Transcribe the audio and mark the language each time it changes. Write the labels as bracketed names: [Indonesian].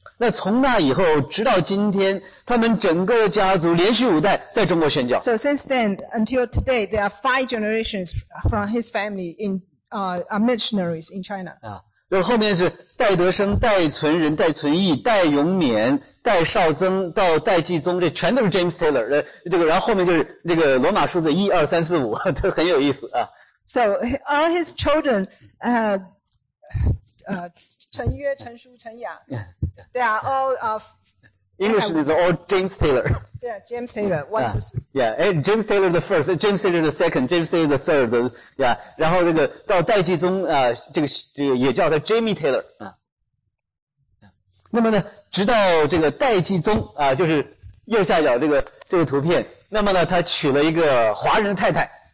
[Chinese] 那从那以后直到今天他们整个家族连续五代在中国宣教。 [English] So since then, until today, there are five generations from his family in, are missionaries in China. [Chinese] 然后后面是戴德生、戴存仁、戴存义、戴永勉、戴绍曾到戴继宗，这全都是 James Taylor 的这个，然后后面就是那个罗马数字一二三四五，都很有意思啊。 [English] So all his children, 陈约、陈书、陈雅 ，they are all of English is all James Taylor. Yeah, James Taylor, one, two, three. Yeah, and James Taylor the first, James Taylor the second, James Taylor the third. [Chinese] Yeah, 然后这个到戴季宗啊，这个也叫他 Jamie Taylor 啊。那么呢，直到这个戴季宗啊，就是右下角这个图片，那么呢，他娶了一个华人太太。